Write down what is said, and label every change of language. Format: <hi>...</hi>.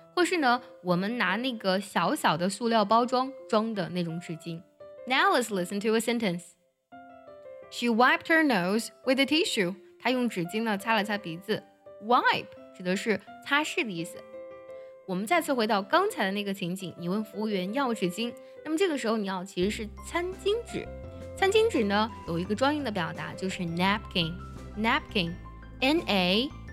<zh>或是呢，我们拿那个小小的塑料包装装的那种纸巾。</zh> <en>Now let's listen to a sentence. She wiped her nose with a tissue.</en> <zh>她用纸巾呢擦了擦鼻子。Wipe 指的是擦拭的意思。我们再次回到刚才的那个情景，你问服务员要纸巾，那么这个时候你要其实是餐巾纸。餐巾纸呢有一个专用的表达，就是 napkin. Napkin, N-A-P-K-I-N.</zh>